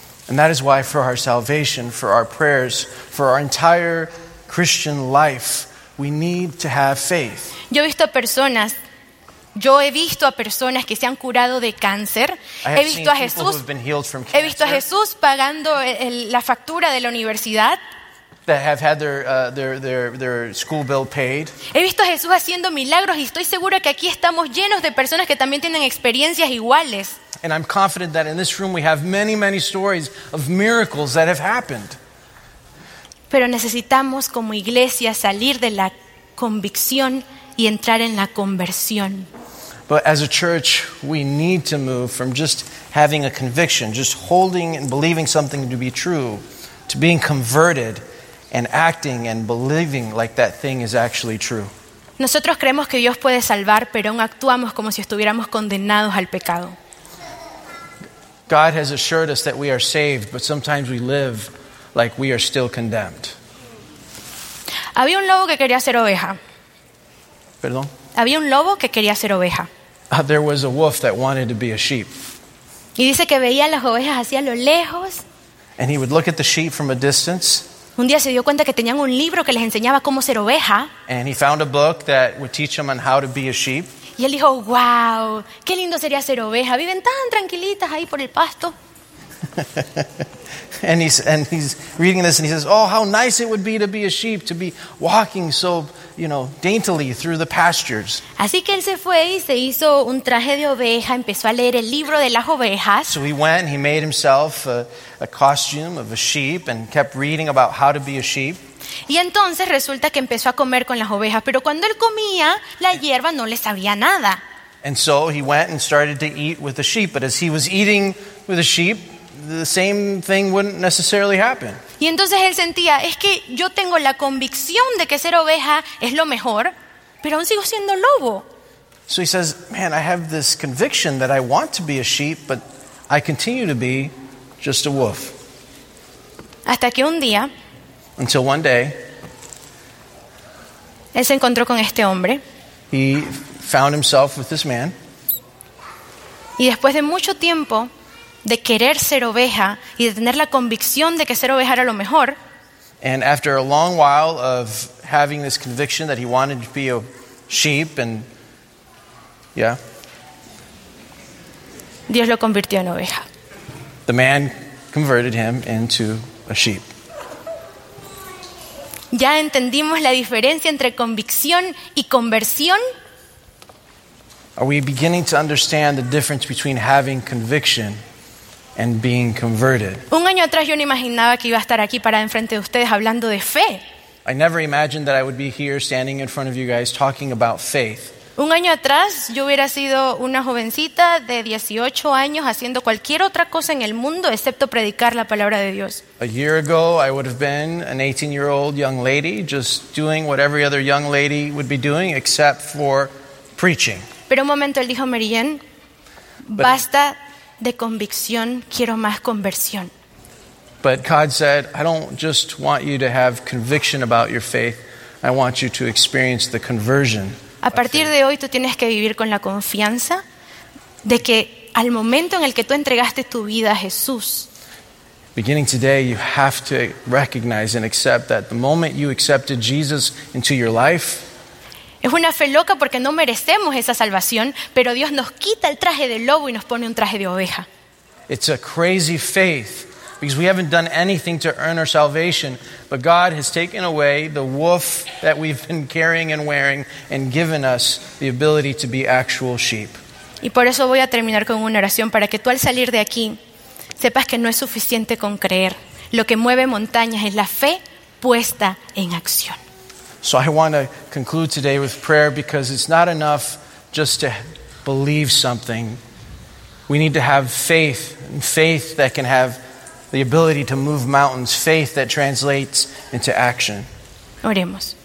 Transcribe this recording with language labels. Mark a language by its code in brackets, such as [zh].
[en] And that is why for our salvation, for our prayers, for our entire Christian life, we need to have faith. [es] Yo he visto a personas que se han curado de cáncer. He visto a Jesús pagando la factura de la universidad. [en] That have had their school bill paid. [es] He visto a Jesús haciendo milagros y estoy segura que aquí estamos llenos de personas que también tienen experiencias iguales. [en] And I'm confident that in this room we have many, many stories of miracles that have happened. [es] Pero necesitamos como iglesia salir de la convicción y entrar en la conversión. [en] But as a church, we need to move from just having a conviction, just holding and believing something to be true, to being converted and acting and believing like that thing is actually true. [es] Nosotros creemos que Dios puede salvar, pero aún actuamos como si estuviéramos condenados al pecado. [en] God has assured us that we are saved, but sometimes we live like we are still condemned. [es] Había un lobo que quería ser oveja. Perdón. Había un lobo que quería ser oveja. [en] There was a wolf that wanted to be a sheep. [es] Y dice que veía las ovejas hacia lo lejos. [en] And he would look at the sheep from a distance. [es] Un día se dio cuenta que tenían un libro que les enseñaba cómo ser oveja. [en] And he found a book that would teach him on how to be a sheep. [es] Y él dijo, wow, qué lindo sería ser oveja. Viven tan tranquilitas ahí por el pasto. [en] and he's reading this and he says, oh, how nice it would be to be a sheep, to be walking so, you know, daintily through the pastures. [es] Así que él se fue y se hizo un traje de oveja, empezó a leer el libro de las ovejas. [en] So he went, he made himself a costume of a sheep and kept reading about how to be a sheep. [es] Y entonces resulta que empezó a comer con las ovejas, pero cuando él comía, la hierba no le sabía nada. [en] And so he went and started to eat with the sheep, but as he was eating with the sheep, the same thing wouldn't necessarily happen. [es] Y entonces él sentía, es que yo tengo la convicción de que ser oveja es lo mejor, pero aún sigo siendo lobo. [en] So he says, man, I have this conviction that I want to be a sheep, but I continue to be just a wolf. [es] Hasta que un día, [en] until one day, [es] él se encontró con este hombre. [en] He found himself with this man. [es] Y después de mucho tiempo de querer ser oveja y de tener la convicción de que ser oveja era lo mejor, [en] and after a long while of having this conviction that he wanted to be a sheep, and yeah, [es] Dios lo convirtió en oveja. [en] The man converted him into a sheep. [es] Ya entendimos la diferencia entre convicción y conversión. [en] Are we beginning to understand the difference between having conviction and being converted? [es] Un año atrás yo no imaginaba que iba a estar aquí parada enfrente de ustedes hablando de fe. [en] I never imagined that I would be here standing in front of you guys talking about faith. [es] Un año atrás yo hubiera sido una jovencita de 18 años haciendo cualquier otra cosa en el mundo excepto predicar la palabra de Dios. [en] A year ago I would have been an 18-year-old young lady just doing what every other young lady would be doing except for preaching. [es] Pero un momento él dijo, Mary Jane, basta de convicción, quiero más conversión. [en] But God said, I don't just want you to have conviction about your faith, I want you to experience the conversion. [es] A partir de hoy tú tienes que vivir con la confianza de que al momento en el que tú entregaste tu vida a Jesús. [en] Beginning today you have to recognize and accept that the moment you accepted Jesus into your life. [es] Es una fe loca porque no merecemos esa salvación, pero Dios nos quita el traje de lobo y nos pone un traje de oveja. [en] It's a crazy faith because we haven't done anything to earn our salvation, but God has taken away the wolf that we've been carrying and wearing and given us the ability to be actual sheep. [es] Y por eso voy a terminar con una oración para que tú al salir de aquí sepas que no es suficiente con creer. Lo que mueve montañas es la fe puesta en acción. [en] So I want to conclude today with prayer because it's not enough just to believe something. We need to have faith, and faith that can have the ability to move mountains, faith that translates into action. [es] Oremos.